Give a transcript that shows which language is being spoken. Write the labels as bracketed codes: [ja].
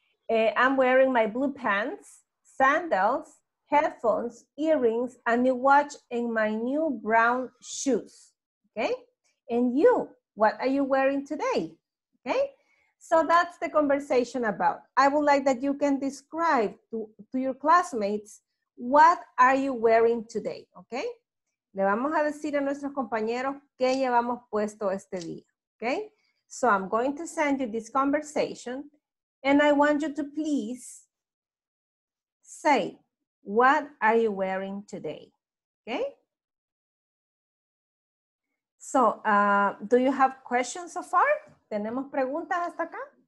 [en] I'm wearing my blue pants, sandals, headphones, earrings, a new watch, and my new brown shoes, okay? And you, what are you wearing today, okay? So that's the conversation about. I would like that you can describe to your classmates, what are you wearing today, okay? [es] Le vamos a decir a nuestros compañeros qué llevamos puesto este día, okay? [en] So I'm going to send you this conversation and I want you to please say, what are you wearing today, okay? So do you have questions so far? [es] ¿Tenemos preguntas hasta acá?